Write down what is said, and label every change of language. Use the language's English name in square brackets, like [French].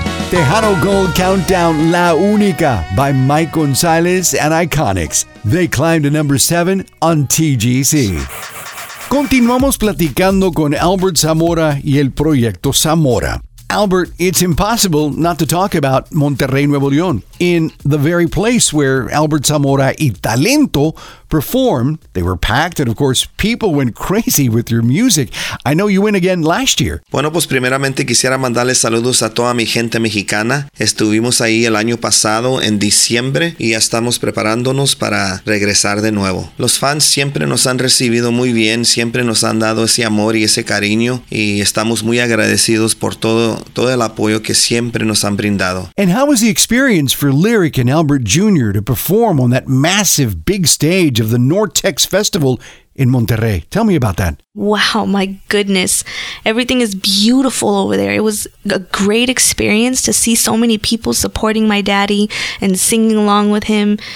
[English] Tejano Gold Countdown, La Única by Mike Gonzalez and Iconics. They climbed to number 7 on TGC. [Spanish] Continuamos platicando con Albert Zamora y el Proyecto Zamora. [English] Albert, it's impossible not to talk about Monterrey, Nuevo León, in the very place where Albert Zamora y Talento performed. They were packed, and of course, people went crazy with your music. I know you went again last year. [Spanish] Bueno, pues primeramente quisiera mandarles saludos a toda mi gente mexicana. Estuvimos ahí el año pasado, en diciembre, y ya estamos preparándonos para regresar de nuevo. Los fans siempre nos han recibido muy bien, siempre nos han dado ese amor y ese cariño, y estamos muy agradecidos por todo el apoyo que siempre nos han brindado. [English] And how was the experience for Lyric and Albert Jr. to perform on that massive big stage of the Nortex Festival in Monterrey? Tell me about that. Wow, my goodness. Everything is beautiful over there. It was a great experience to see so many people supporting my daddy and singing along with him.